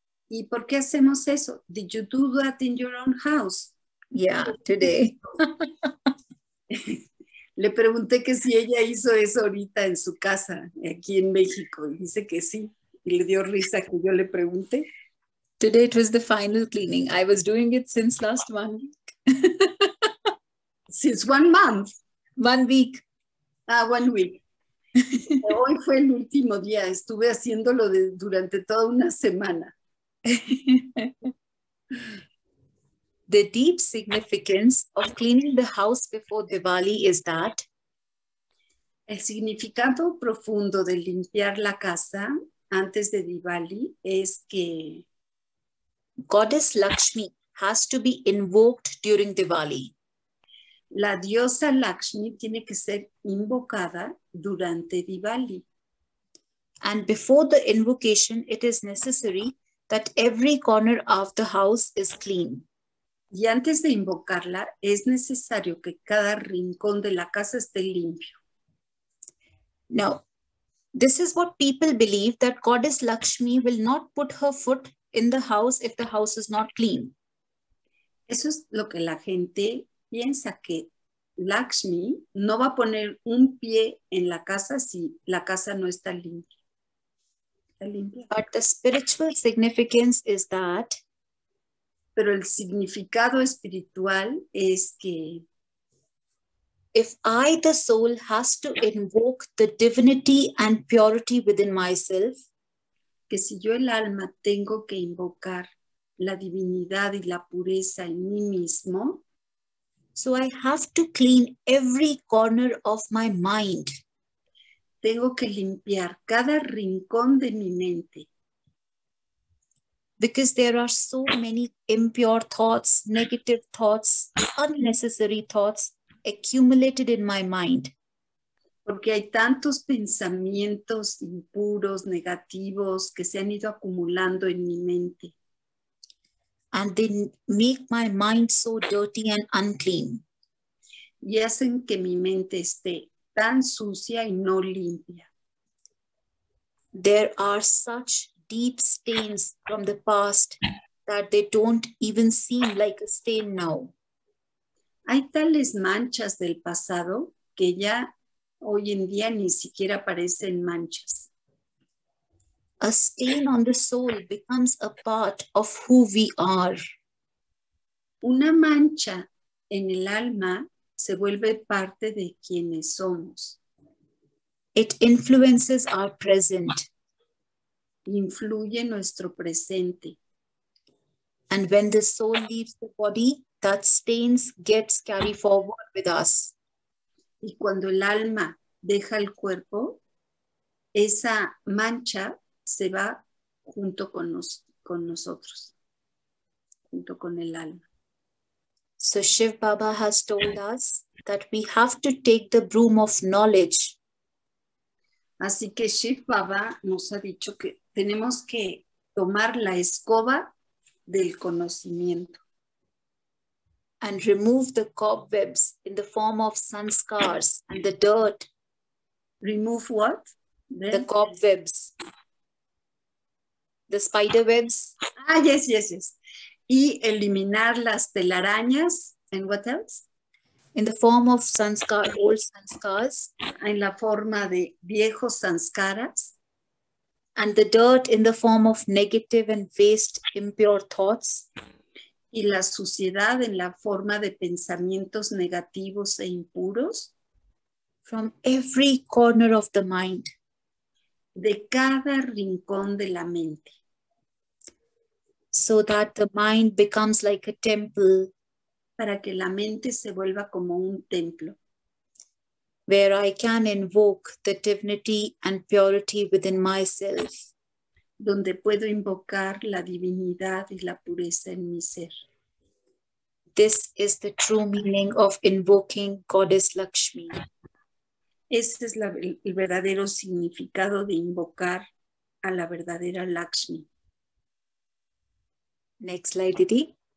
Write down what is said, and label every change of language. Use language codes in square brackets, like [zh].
[es] ¿Y por qué hacemos eso? [en] Did you do that in your own house? Yeah, today. [es] Le pregunté que si ella hizo eso ahorita en su casa, aquí en México. Dice que sí. Y le dio risa que yo le pregunté. [en] Today it was the final cleaning. I was doing it since last month. Since 1 month. 1 week. Ah, 1 week. [es] Hoy fue el último día, estuve haciéndolo durante toda una semana. [en] The deep significance of cleaning the house before Diwali is that [es] el significado profundo de limpiar la casa antes de Diwali es que [en] Goddess Lakshmi has to be invoked during Diwali. [es] La diosa Lakshmi tiene que ser invocada durante Diwali. [en] And before the invocation, it is necessary that every corner of the house is clean. [es] Y antes de invocarla, es necesario que cada rincón de la casa esté limpio. [en] Now, This is what people believe, that Goddess Lakshmi will not put her foot in the house if the house is not clean. [es] Eso es lo que la gente piensa, que Lakshmi no va a poner un pie en la casa si la casa no está limpia. [en] But the spiritual significance is that. [es] Pero el significado espiritual es que. [en] If I, the soul, has to invoke the divinity and purity within myself. [es] Que si yo el alma tengo que invocar la divinidad y la pureza en mí mismo. [en] So I have to clean every corner of my mind. [es] Tengo que limpiar cada rincón de mi mente. [en] Because there are so many impure thoughts, negative thoughts, unnecessary thoughts accumulated in my mind. [es] Porque hay tantos pensamientos impuros, negativos, que se han ido acumulando en mi mente. [en] And they make my mind so dirty and unclean. [es] Y hacen que mi mente esté tan sucia y no limpia. [en] There are such deep stains from the past that they don't even seem like a stain now. [es] Hay tales manchas del pasado que ya hoy en día ni siquiera parecen manchas. [en] A stain on the soul becomes a part of who we are. [es] Una mancha en el alma se vuelve parte de quienes somos. [en] It influences our present. [es] Influye nuestro presente. [en] And when the soul leaves the body, that stain gets carried forward with us. [es] Y cuando el alma deja el cuerpo, esa mancha se va junto con nosotros, junto con el alma. [en] So Shiv Baba has told us that we have to take the broom of knowledge. [es] Así que Shiv Baba nos ha dicho que tenemos que tomar la escoba del conocimiento. [en] And remove the cobwebs in the form of sanskars and the dirt. Remove what? The cobwebs. The spider webs. Ah, yes, yes, yes. [es] Y eliminar las telarañas. [en] And what else? In the form of sanskar, old sanskars. [es] En la forma de viejos sanskaras. [en] And the dirt in the form of negative and waste, impure thoughts. [es] Y la suciedad en la forma de pensamientos negativos e impuros. [en] From every corner of the mind. [es] De cada rincón de la mente. [en] So that the mind becomes like a temple. [es] Para que la mente se vuelva como un templo. [en] Where I can invoke the divinity and purity within myself. [es] Donde puedo invocar la divinidad y la pureza en mi ser. [en] This is the true meaning of invoking Goddess Lakshmi. [es] Este es el verdadero significado de invocar a la verdadera Lakshmi. [en] Next slide, Didi.